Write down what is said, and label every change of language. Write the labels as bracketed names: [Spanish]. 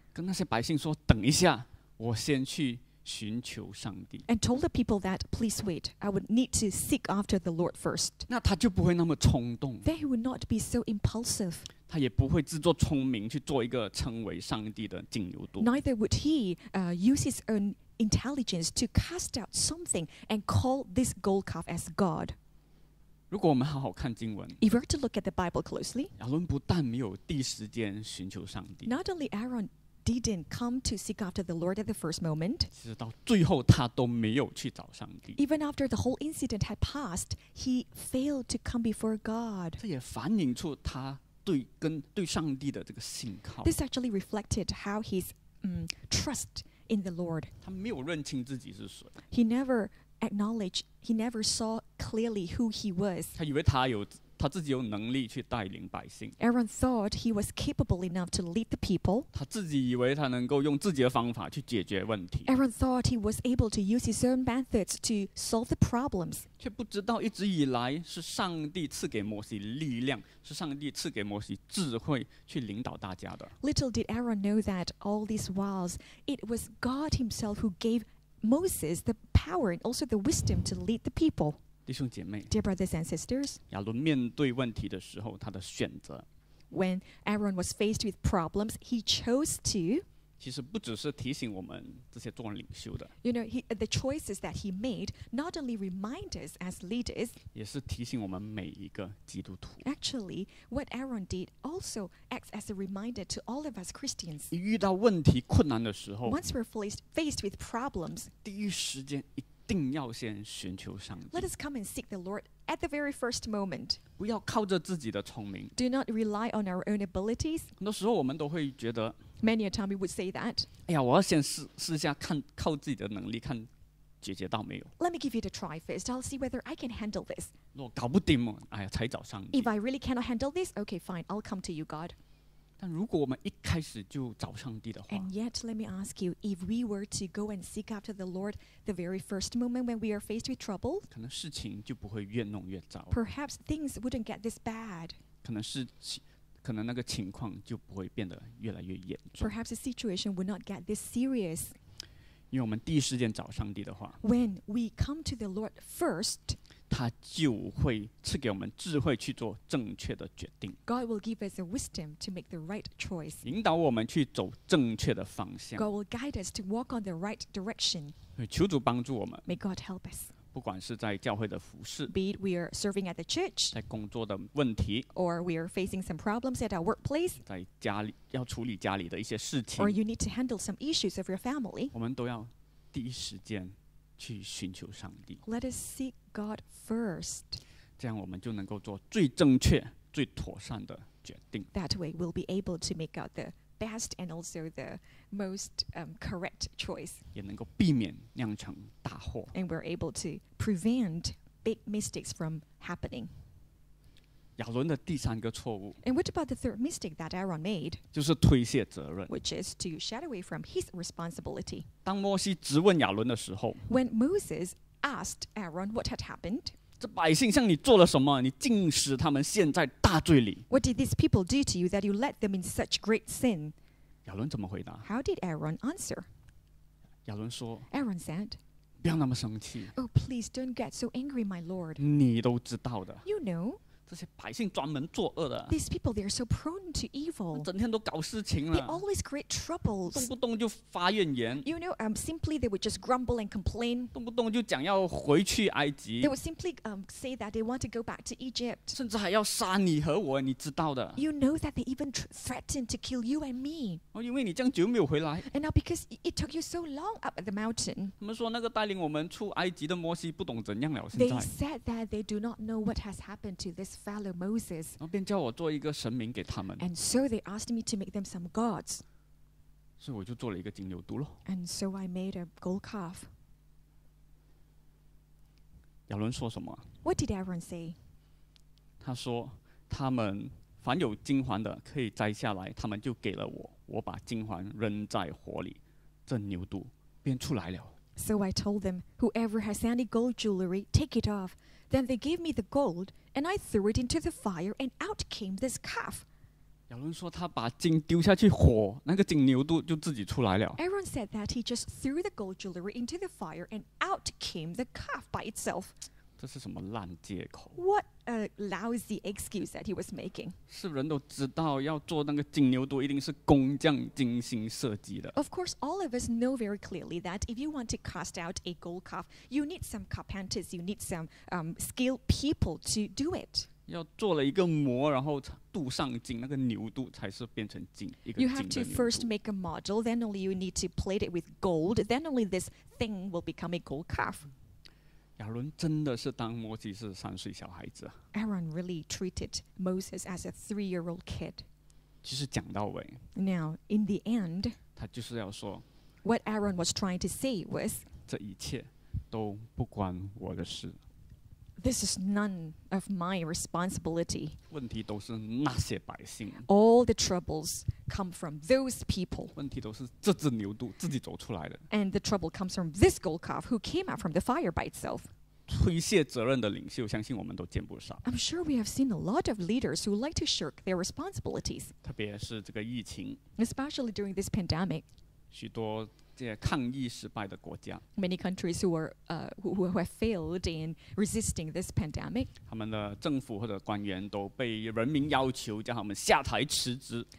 [Chinese] 跟那些百姓说等一下我先去寻求上帝 [English] And told the people that please wait I would need to seek after the Lord first [Chinese] 那他就不会那么冲动 [English] Then he would not be so impulsive [Chinese] 他也不会自作聪明去做一个称为上帝的经由度 [English] Neither would he use his own intelligence to cast out something and call this gold calf as God [Chinese] 如果我们好好看经文 [English] If we were to look at the Bible closely [Chinese] 亚伦不但没有第一时间寻求上帝 [English] Not only Aaron didn't come to seek after the Lord at the first moment [Chinese] 其实到最后他都没有去找上帝 [English] Even after the whole incident had passed he failed to come before God [Chinese] 这也反映出他对跟对上帝的这个信靠 [English] This actually reflected how his trust in the Lord [Chinese] 他没有认清自己是谁 [English] He neverAcknowledge he never saw clearly who he was. [Chinese] 他以为他有他自己有能力去带领百姓。 [English] Aaron thought he was capable enough to lead the people. [Chinese] 他自己以为他能够用自己的方法去解决问题。 [English] Aaron thought he was able to use his own methods to solve the problems. [Chinese] 却不知道一直以来是上帝赐给摩西力量，是上帝赐给摩西智慧去领导大家的。 [English] Little did Aaron know that all these whiles it was God himself who gave Moses the power and also the wisdom to lead the people. [Chinese] 弟兄姐妹 [English] Dear brothers and sisters, [Chinese] 亚伦面对问题的时候，他的选择。 [English] When Aaron was faced with problems, he chose to. [Chinese] 其实不只是提醒我们这些做领袖的。 [English] You know, the choices that he made not only remind us as leaders. [Chinese] 也是提醒我们每一个基督徒。 [English] Actually, what Aaron did also acts as a reminder to all of us Christians. [Chinese] 遇到问题困难的时候。 [English] Once we're faced with problems. [Chinese] 第一时间一定要先寻求上帝。 [English] Let us come and seek the Lord at the very first moment. [Chinese] 不要靠着自己的聪明。 [English] Do not rely on our own abilities. [Chinese] 很多时候我们都会觉得。 [English] Many a time we would say that. [Chinese] 哎呀，我要先试一下看靠自己的能力看解决到没有。 [English] Let me give it a try first. I'll see whether I can handle this. [Chinese] 如果搞不定嘛，哎呀，才找上帝。 [English] If I really cannot handle this, okay, fine. I'll come to you, God. [Chinese] 但如果我们一开始就找上帝的话 [English] ，And yet, let me ask you, if we were to go and seek after the Lord the very first moment when we are faced with trouble, [Chinese] 可能事情就不会越弄越糟。 [English] Perhaps things wouldn't get this bad. [Chinese] 可能那个情况就不会变得越来越严重。 [English] Perhaps the situation would not get this serious. [Chinese] 因为我们第一时间找上帝的话 [English] ，When we come to the Lord first, [Chinese] 他就会赐给我们智慧去做正确的决定。 [English] God will give us a wisdom to make the right choice. [Chinese] 引导我们去走正确的方向。 [English] God will guide us to walk on the right direction. [Chinese] 求主帮助我们。 [English] May God help us. [Chinese] 不管是在教会的服事 [English] Be it we are serving at the church [Chinese] 在工作的问题 [English] Or we are facing some problems at our workplace [Chinese] 在家里要处理家里的一些事情 [English] Or you need to handle some issues of your family [Chinese] 我们都要第一时间去寻求上帝 [English] Let us seek God first [Chinese] 这样我们就能够做最正确最妥善的决定 [English] That way we'll be able to make out the best and also the most correct choice [Chinese] 也能够避免酿成大祸 [English] and we're able to prevent big mistakes from happening [Chinese] 亚伦的第三个错误 [English] and what about the third mistake that Aaron made [Chinese] 就是推卸责任 [English] which is to shed away from his responsibility [Chinese] 当摩西质问亚伦的时候 [English] when Moses asked Aaron what had happened [Chinese] 这百姓向你做了什么你竟使他们陷在大罪里 [English] what did these people do to you that you led them in such great sin [Chinese] 亚伦怎么回答 [English] How did Aaron answer? [Chinese] 亚伦说 [English] Aaron said [Chinese] 不要那么生气 [English] Oh, please don't get so angry, my lord [Chinese] 你都知道的 [English] You know [Chinese] 这些百姓专门作恶的。 [English] These people, they are so prone to evil. [Chinese] 整天都搞事情了。 [English] They always create troubles. [Chinese] 动不动就发怨言。 [English] You know, simply they would just grumble and complain. [Chinese] 动不动就讲要回去埃及。 [English] They would simply say that they want to go back to Egypt. [Chinese] 甚至还要杀你和我，你知道的。 [English] You know that they even threaten to kill you and me. [Chinese] 哦，因为你这样久没有回来。 [English] And now because it took you so long up at the mountain. [Chinese] 他们说那个带领我们出埃及的摩西不懂怎样了。 [English] They said that they do not know what has happened to this fellow Moses. [Chinese] 然后便叫我做一个神明给他们。 [English] And so they asked me to make them some gods. [Chinese] 所以我就做了一个金牛犊咯。 [English] And so I made a gold calf. [Chinese] 亚伦说什么？ [English] What did Aaron say? [Chinese] 他说，他们凡有金环的可以摘下来，他们就给了我，我把金环扔在火里，这牛犊便出来了。 [English] So I told them, whoever has any gold jewelry, take it off. Then they gave me the gold, and I threw it into the fire, and out came this calf. [Chinese] 亚伦说他把金丢下去火，那个金牛犊就自己出来了。 [English] Aaron said that he just threw the gold jewelry into the fire, and out came the calf by itself. [Chinese] 这是什么烂借口？ [English] What a lousy excuse that he was making. [Chinese] 是人都知道要做那个金牛犊一定是工匠精心设计的。 [English] Of course, all of us know very clearly that if you want to cast out a gold calf, you need some carpenters, you need some skilled people to do it. [Chinese] 要做了一个模，然后镀上金，那个牛犊才是变成金，一个金的牛犊。 [English] You have to first make a model, then only you need to plate it with gold, then only this thing will become a gold calf. [Chinese] 亚伦真的是当摩西是三岁小孩子。 [English] Aaron really treated Moses as a three-year-old kid. [Chinese] 其实讲到尾。 [English] Now, in the end, [Chinese] 他就是要说 [English] what Aaron was trying to say was, [Chinese] 这一切都不关我的事。 [English] This is none of my responsibility. [Chinese] 问题都是那些百姓。 [English] All the troubles come from those people. [Chinese] 问题都是这只牛犊自己走出来的。 [English] And the trouble comes from this gold calf who came out from the fire by itself. [Chinese] 推卸责任的领袖，相信我们都见不少。 [English] I'm sure we have seen a lot of leaders who like to shirk their responsibilities. [Chinese] 特别是这个疫情。 [English] Especially during this pandemic. [Chinese] 许多这抗疫失败的国家 [English] ，many countries who are who have failed in resisting this pandemic， [Chinese] 他们的政府或者官员都被人民要求叫他们下台辞职。